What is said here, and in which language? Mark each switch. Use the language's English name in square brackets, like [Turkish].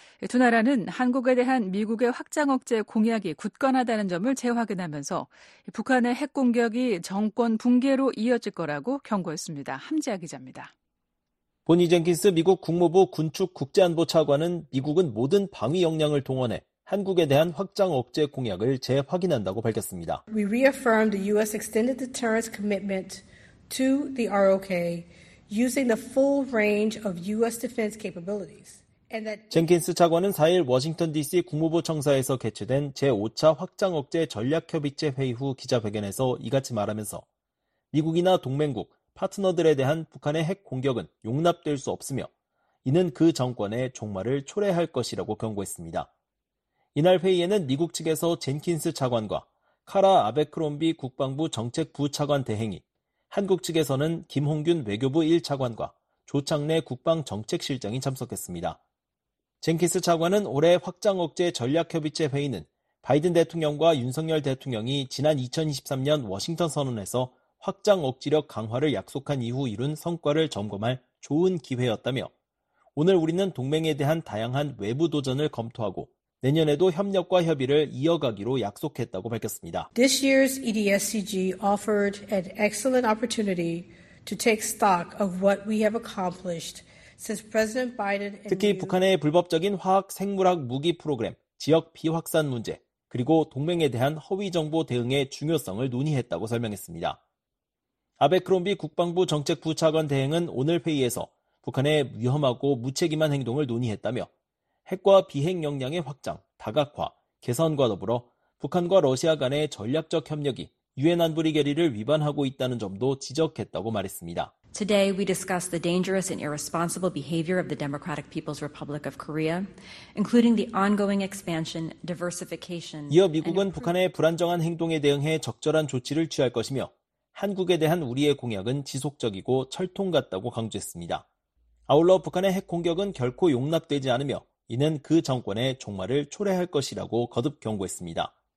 [Korean] 두 나라는 한국에 대한 미국의 확장 억제 공약이 굳건하다는 점을 재확인하면서 북한의 핵 공격이 정권 붕괴로 이어질 거라고 경고했습니다. 함지아 기자입니다. 보니 젠킨스 미국 국무부 군축 국제안보 차관은 미국은 모든 방위 역량을 동원해 한국에 대한 확장 억제 공약을 재확인한다고 밝혔습니다. [English] We reaffirm the U.S. extended deterrence commitment to the ROK using the full range of U.S. defense capabilities. [Korean] 젠킨스 차관은 4일 워싱턴 DC 국무부 청사에서 개최된 제5차 확장 억제 전략협의체 회의 후 기자회견에서 이같이 말하면서 미국이나 동맹국, 파트너들에 대한 북한의 핵 공격은 용납될 수 없으며 이는 그 정권의 종말을 초래할 것이라고 경고했습니다. 이날 회의에는 미국 측에서 젠킨스 차관과 카라 아베크롬비 국방부 정책부 차관 대행이, 한국 측에서는 김홍균 외교부 1차관과 조창래 국방정책실장이 참석했습니다. 젠킨스 차관은 올해 확장 억제 전략협의체 회의는 바이든 대통령과 윤석열 대통령이 지난 2023년 워싱턴 선언에서 확장 억지력 강화를 약속한 이후 이룬 성과를 점검할 좋은 기회였다며 오늘 우리는 동맹에 대한 다양한 외부 도전을 검토하고 내년에도 협력과 협의를 이어가기로 약속했다고 밝혔습니다. [English] This year's EDSCG offered an excellent opportunity to take stock of what we have accomplished since President Biden. [Korean] 특히 북한의 불법적인 화학 생물학 무기 프로그램, 지역 비확산 문제, 그리고 동맹에 대한 허위 정보 대응의 중요성을 논의했다고 설명했습니다. 아베크롬비 국방부 정책부 차관 대행은 오늘 회의에서 북한의 위험하고 무책임한 행동을 논의했다며 핵과 비핵 역량의 확장, 다각화, 개선과 더불어 북한과 러시아 간의 전략적 협력이 유엔 안보리 결의를 위반하고 있다는 점도 지적했다고 말했습니다. [English] Today we discuss the dangerous and irresponsible behavior of the Democratic People's Republic of Korea, including the ongoing expansion, diversification. [Korean] 이어 미국은 북한의 불안정한 행동에 대응해 적절한 조치를 취할 것이며 한국에 대한 우리의 공약은 지속적이고 철통 같다고 강조했습니다. 아울러 북한의 핵 공격은 결코 용납되지 않으며 이는 그 정권의 종말을 초래할 것이라고 거듭 경고했습니다.